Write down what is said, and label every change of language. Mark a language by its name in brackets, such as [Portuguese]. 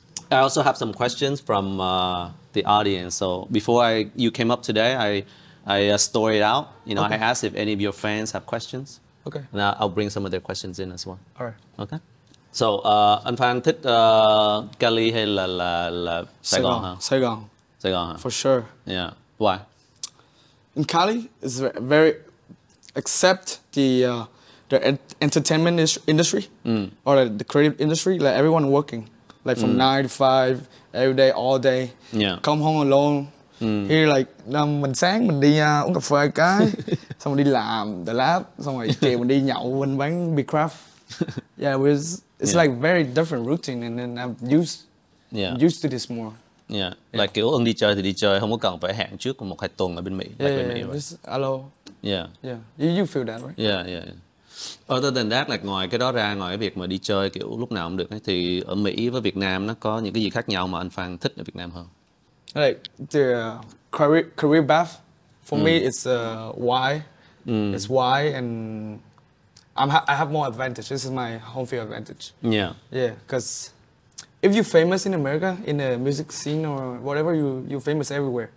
[English] I also have some questions from the audience. So before you came up today, I story it out. You know, okay. I asked if any of your fans have questions. Okay. And I'll bring some of their questions in as well. All right. Okay. [Vietnamese] So, anh Phan thích Cali hay là Sài Gòn hả? Sài Gòn. Sài Gòn hả? [English] For sure. Yeah. Why? In Cali, it's very, except the entertainment industry or the creative industry, like everyone working, like from 9 to 5, every day, all day. Yeah. Come home alone. Here like [Vietnamese] năm mình sáng mình đi uống cà phê cái xong rồi đi làm the lab xong rồi chiều mình đi nhậu mình bán beer craft. [English] Yeah, it's like very different routine and then I'm used to this more. Yeah. [Vietnamese] Like kiểu ưng đi chơi thì đi chơi, không có cần phải hẹn trước một hai tuần ở bên Mỹ. [English] Yeah, right? Alo. Yeah. Yeah. You feel that, right? Yeah, yeah. Other than that, like [Vietnamese] ngoài cái đó ra, ngoài cái việc mà đi chơi kiểu lúc nào cũng được ấy, thì ở Mỹ với Việt Nam nó có những cái gì khác nhau mà anh Phan thích ở Việt Nam hơn? [English] Like the career path for me is why. It's why and I have more advantage. This is my home field advantage. Yeah. Yeah, cuz if you're famous in America in the music scene or whatever, you're famous everywhere.